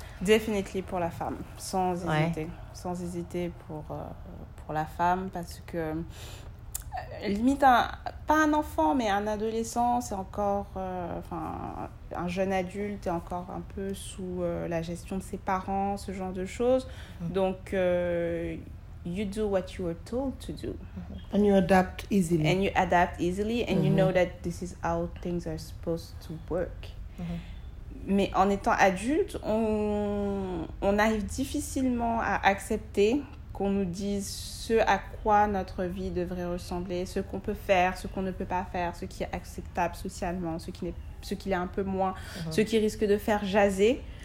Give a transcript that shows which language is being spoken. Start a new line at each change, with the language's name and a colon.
English: Definitely
French: pour la femme, sans hésiter pour la femme, parce que limite, pas un enfant, mais un adolescent, c'est encore un jeune adulte, est encore un peu sous la gestion de ses parents, ce genre de choses. Donc,
English: you do what you are told to do. And you adapt easily. And you adapt easily and you know that this is how things are supposed to work.
French: Mais en étant adulte, on arrive difficilement à accepter qu'on nous dise ce à quoi notre vie devrait ressembler, ce qu'on peut faire, ce qu'on ne peut pas faire, ce qui est acceptable socialement, ce qui l'est un peu moins, ce qui risque de faire jaser.